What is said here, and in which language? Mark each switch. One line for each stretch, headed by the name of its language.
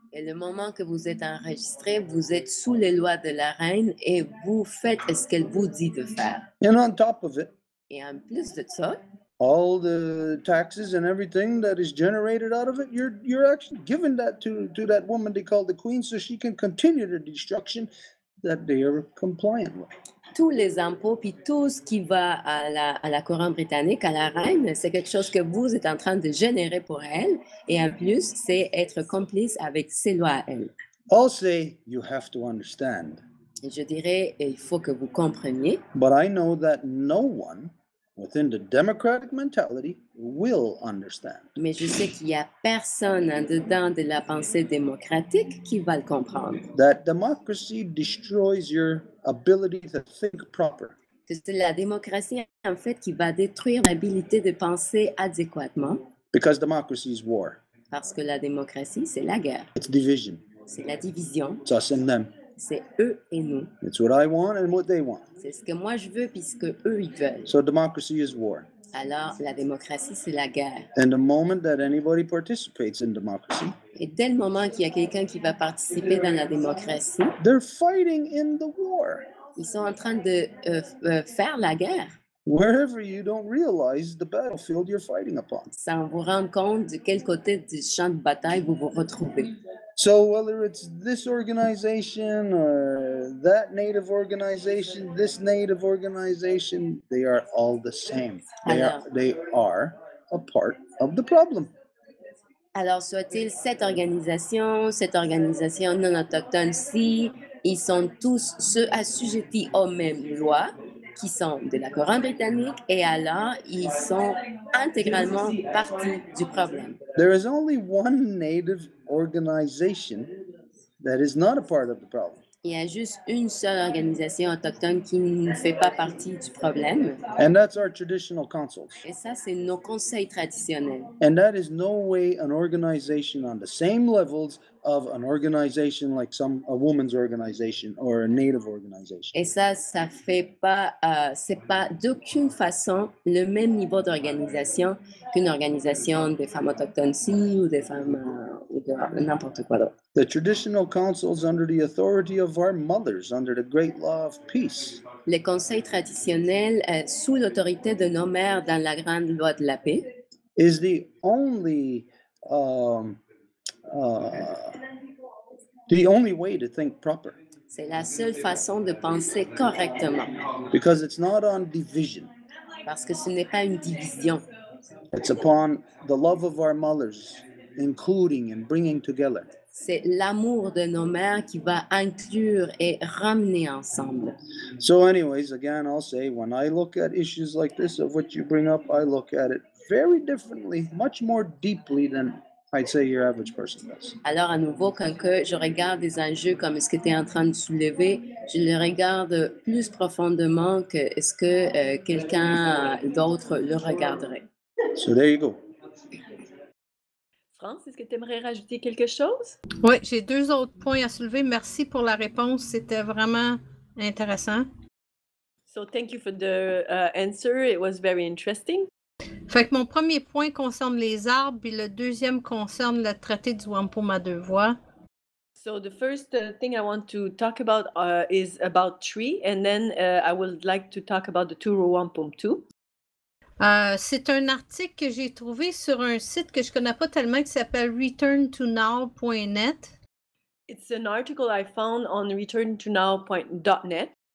French: Et le moment que vous êtes enregistré, vous êtes sous les lois de la reine et vous faites ce qu'elle vous dit de faire.
English: And on top of it,
French: et en plus de ça,
English: all the taxes and everything that is generated out of it, you're actually giving that to that woman they call the queen so she can continue the destruction that they are compliant with.
French: tous les impôts puis tout ce qui va à la couronne britannique, à la reine, c'est quelque chose que vous êtes en train de générer pour elle. Et en plus, c'est être complice avec ses lois à elle.
English: Also, you have to understand.
French: Et je dirais, il faut que vous compreniez.
English: But I know that no one within the democratic mentality will understand.
French: Mais je sais qu'il y a personne en dedans de la pensée démocratique qui va le comprendre.
English: That democracy destroys your ability to think proper.
French: Que c'est la démocratie en fait qui va détruire l'habilité de penser adéquatement.
English: Because democracy is war.
French: Parce que la démocratie c'est la guerre.
English: It's division.
French: C'est la division.
English: It's us and them.
French: C'est eux et nous.
English: It's what I want and what they want.
French: C'est ce que moi je veux puis ce que eux ils veulent.
English: So democracy is war.
French: Alors la démocratie c'est la guerre.
English: And the moment that anybody participates in democracy.
French: Et dès le moment qu'il y a quelqu'un qui va participer dans la démocratie.
English: They're fighting in the war.
French: Ils sont en train de faire la guerre.
English: Wherever you don't realize the battlefield you're fighting upon.
French: Sans vous rendre compte de quel côté du champ de bataille vous vous retrouvez.
English: So whether it's this organization or that native organization, this native organization, they are all the same. They are a part of the problem.
French: Alors, soit-il cette organisation non autochtone, si ils sont tous ceux assujettis aux mêmes lois qui sont de la couronne britannique, et alors ils sont intégralement partie du problème.
English: There is only one native organization that is not a part of the problem.
French: Il y a juste une seule organisation autochtone qui ne fait pas partie du problème.
English: And that's our traditional councils.
French: Et ça, c'est nos conseils traditionnels.
English: And that is no way an organization on the same levels of an organization like some a woman's organization or a native organization.
French: Et ça, ça fait pas, c'est pas d'aucune façon le même niveau d'organisation qu'une organisation des femmes autochtones ici ou des femmes ou de n'importe quoi d'autre.
English: The traditional councils under the authority of our mothers, under the great law of peace.
French: Les conseils traditionnels sous l'autorité de nos mères dans la grande loi de la paix.
English: Is the only the only way to think proper.
French: C'est la seule façon de penser correctement.
English: Because it's not on division.
French: Parce que ce n'est pas une division.
English: It's upon the love of our mothers, including and bringing together.
French: C'est l'amour de nos mères qui va inclure et ramener ensemble.
English: So anyways, again, I'll say, when I look at issues like this of what you bring up, I look at it very differently, much more deeply than I'd say your average person does.
French: Alors à nouveau, quand que je regarde des enjeux comme ce que tu es en train de soulever, je le regarde plus profondément que ce que quelqu'un d'autre le regarderait.
English: So there you go.
French: France, est-ce que tu aimerais rajouter quelque chose? Oui, j'ai deux autres points à soulever. Merci pour la réponse. C'était vraiment intéressant.
English: So thank you for the answer. It was very interesting.
French: Fait que mon premier point concerne les arbres, puis le deuxième concerne le traité du wampum à deux voix.
English: So the first thing I want to talk about is about tree, and then I would like to talk about the two wampum too.
French: C'est un article que j'ai trouvé sur un site que je connais pas tellement qui s'appelle returntonow.net.
English: It's an article I found on returntonow.net.